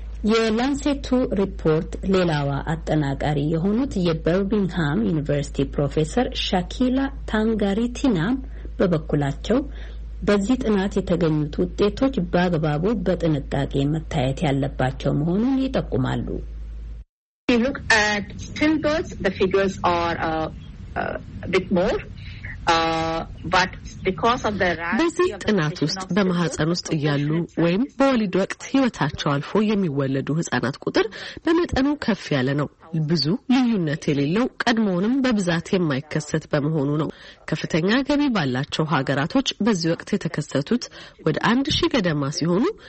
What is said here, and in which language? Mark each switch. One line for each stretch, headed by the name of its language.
Amharic: የላንሴቱ ሪፖርት ሌላዋ አጠናቃሪ የሆኑት የበርሚንግሃም ዩኒቨርሲቲ ፕሮፌሰር ሻኪላ ታንጋሪቲና በበኩላቸው በዚህ ጥናት የተገኙት ውጤቶች በአግባቡ በጥንቃቄ መታየት ያለባቸው መሆኑን ይጠቁማሉ።
English: If you look at symptoms, the figures are a bit more.
Amharic: በዚህ ጥናት ውስጥ በማህፀን ውስጥ እያሉ ወይም በወሊድ ወቅት ህይወታቸው አልፎ የሚወለዱ ህጻናት ቁጥር በመጠኑ ከፍ ያለ ነው። ብዙ ልዩነት የሌለው ቀድሞውንም በብዛት የማይከሰት በመሆኑ ነው። ከፍተኛ ገቢ ባላቸው ሀገራቶች በዚህ ወቅት የተከሰቱት ወደ 1000 ገደማ ሲሆኑ